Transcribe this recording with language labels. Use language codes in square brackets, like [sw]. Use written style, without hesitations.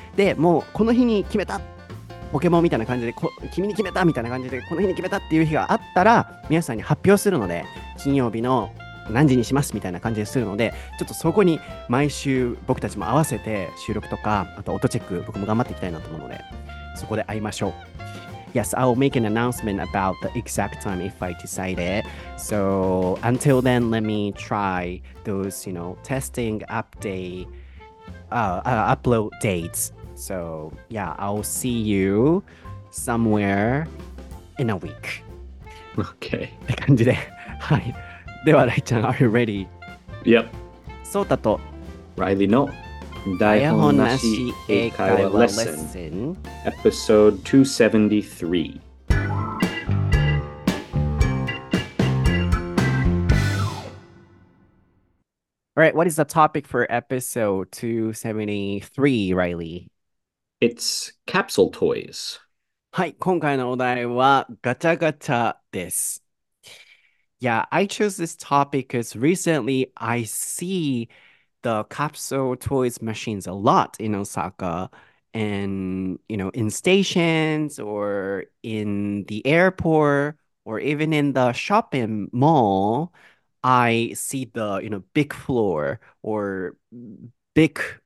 [ja] でもうこの日に決めた、ポケモンみたいな感じで、君に決めたみたいな感じで、この日に決めたっていう日があったら、皆さんに発表するので、金曜日の何時にしますみたいな感じでするので、ちょっとそこに毎週僕たちも合わせて収録とか、あと音チェック、僕も頑張っていきたいなと思うので、そこで会いましょう。 [en] Yes, I'll make an announcement about the exact time if I decide it. So until then, let me try those, you know, testing upload dates. So, yeah, I'll see you somewhere in a week. Okay. [ja] って感じで。はい。では、ライちゃん、 [en] are you ready? Yep. [ja] ソータと Riley の台本なし英会話レッスン Episode 273 [en] All right, what is the topic for episode 273, Riley? It's capsule toys. [ja] はい、今回のお題はガチャガチャです。 [en] Yeah, I chose this topic because recently I see the capsule toys machines a lot in Osaka and, you know, in stations or in the airport or even in the shopping mall, I see the, you know, big floor or big...